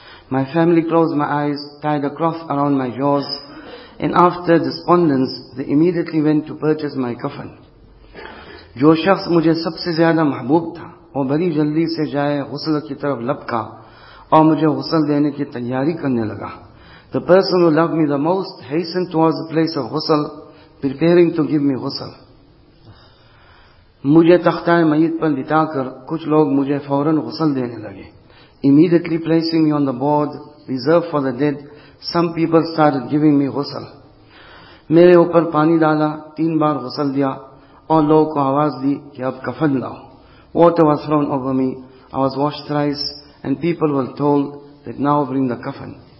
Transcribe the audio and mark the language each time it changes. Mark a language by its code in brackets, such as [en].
[en] My family closed my eyes, tied a cloth around my jaws and after despondence they immediately went to purchase my coffin. [ur] جو شخص مجھے سب سے زیادہ محبوب تھا وہ بڑی جلدی سے جائے غسل کی طرف لپکا اور مجھے غسل دینے کی تیاری کرنے لگا. [en] The person who loved me the most hastened towards the place of غسل, preparing to give me غسل. [ur] مجھے تختہ میت پر لٹا کر کچھ لوگ مجھے فوراً غسل دینے لگے. [en] Immediately placing me on the board reserved for the dead, some people started giving me غسل. [ur] میرے اوپر پانی ڈالا, تین بار غسل دیا اور لوگ کو آواز دی کہ اب کفن لاؤ. [en] Water was thrown over me, I was washed thrice, and people were told that now bring the coffin.